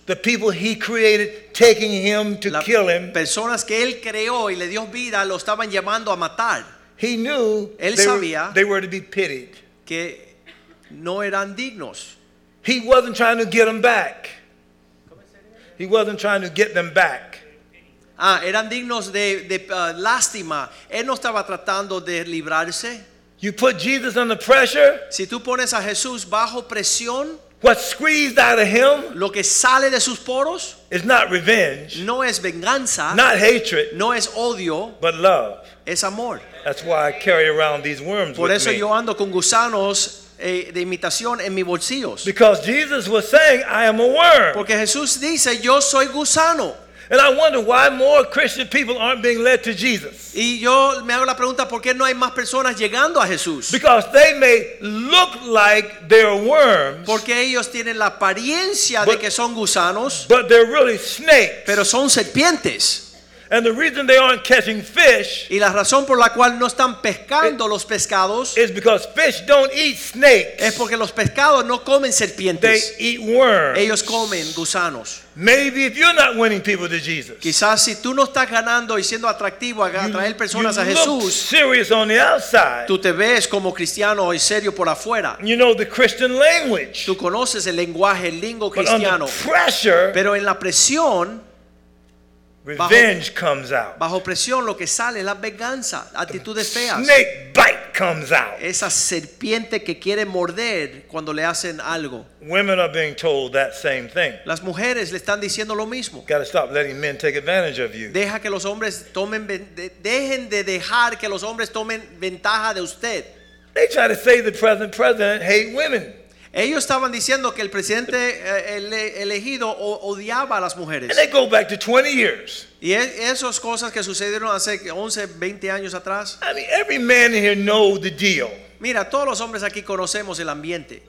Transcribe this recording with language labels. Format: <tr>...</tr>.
<en>the people he created taking him to kill him.</en> <es>Personas que él creó y le dio vida lo estaban llamando a matar.</es> <en>He knew they were to be pitied.</en> <es>Que no eran dignos.</es> <en>He wasn't trying to get them back. He wasn't trying to get them back.</en> <es>Ah, eran dignos de lástima. Él no estaba tratando de librarse.</es> <en>You put Jesus under pressure.</en> <es>Si tú pones a Jesús bajo presión.</es> <en>What squeezed out of him?</en> <es>Lo que sale de sus poros.</es> <en>Is not revenge.</en> <es>No es venganza.</es> <en>Not hatred.</en> <es>No es odio.</es> <en>But love.</en> <es>Es amor.</es> <en>That's why I carry around these worms</en> <es>por Por eso yo ando con gusanos de imitación en mis bolsillos.</es> <en>Because Jesus was saying, I am a worm.</en> <es>Porque Jesús dice, yo soy gusano.</es> <en>And I wonder why more Christian people aren't being led to Jesus.</en> <es>Y yo me hago la pregunta, ¿por qué no hay más personas llegando a Jesús?</es> <en>Because they may look like they're worms.</en> <es>Porque ellos tienen la apariencia de que son gusanos.</es> <en>But they're really snakes.</en> <es>Pero son serpientes.</es> <en>And the reason they aren't catching fish,</en> <es>y la razón por la cual no están pescando los pescados,</es> <en>is because fish don't eat snakes.</en> <es>Es porque los pescados no comen serpientes.</es> <en>They eat worms.</en> <es>Ellos comen gusanos.</es> <en>Maybe if you're not winning people to Jesus,</en> <es>quizás si tú no estás ganando y siendo atractivo a atraer personas a Jesús,</es> <en>you look serious on the outside.</en> <es>Tú te ves como cristiano y serio por afuera.</es> <en>You know the Christian language.</en> <es>Tú conoces el lenguaje, el lingo cristiano.</es> <en>But under pressure,</en> <es>pero en la presión.</es> <en>Revenge comes out.</en> <es>Bajo presión lo que sale es la venganza, actitudes feas.</es> <en>Snake bite comes out.</en> <es>Esa serpiente que quiere morder cuando le hacen algo.</es> <en>Women are being told that same thing.</en> <es>Las mujeres le están diciendo lo mismo.</es> <en>Gotta stop letting men take advantage of you.</en> <es>Deja que los hombres tomen dejen de dejar que los hombres tomen ventaja de usted.</es> <en>They try to say the present president hate women.</en> <es>Ellos estaban diciendo que el presidente elegido odiaba a las mujeres.</es> <en>And they go back to 20 years.</en> <es>Y esas cosas que sucedieron hace 11, 20 años atrás.</es> <en>I mean, every man here know the deal.</en> <es>Mira, todos los hombres aquí conocemos el ambiente.</es>